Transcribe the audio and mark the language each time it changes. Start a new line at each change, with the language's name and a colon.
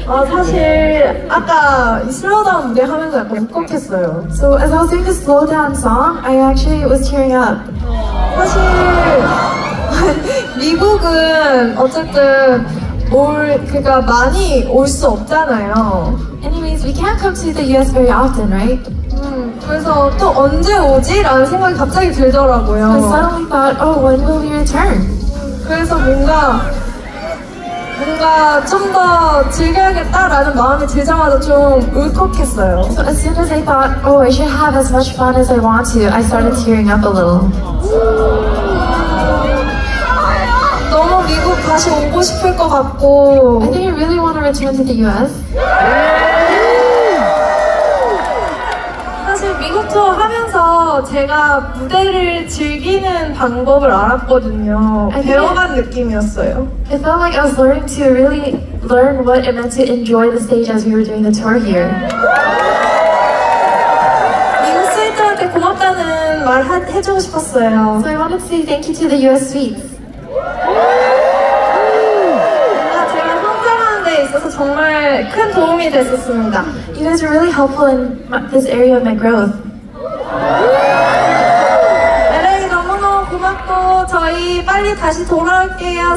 Korean: 사실 아까 이 슬로우다운 무대 하면서 약간 울컥했어요.
English: So as I was singing the slow down song, I actually was tearing up.
Korean: 사실 미국은 어쨌든 그러니까 많이 올 수 없잖아요.
English: Anyways, we can't come to the US very often, right?
Korean: 그래서 또 언제 오지라는 생각이 갑자기 들더라고요.
English: I suddenly thought, oh, when will we return?
Korean: 그래서 뭔가 좀 더 즐겨야겠다라는 마음이 들자마자 좀 울컥했어요.
English: So as soon as I thought, oh, I should have as much fun as I want to, I started tearing up a little.
Korean: 너무 미국 다시 오고 싶을 것 같고.
English: I think I really want to return to the US. Yeah.
Korean: 사실 미국 투어 하면서 제가 무대를 즐기는 방법을 알았거든요. 배워간 느낌이었어요.
English: It felt like I was learning to really learn what it meant to enjoy the stage as we were doing the tour here.
Korean: 미국 스위트한테 고맙다는 말 해주고 싶었어요.
English: So I wanted to say thank you to the US Suites.
Korean: 제가 성장하는 데 있어서 정말 큰 도움이 됐었습니다.
English: You guys are really helpful in this area of my growth.
Korean: LA 너무너무 고맙고 저희 빨리 다시 돌아올게요.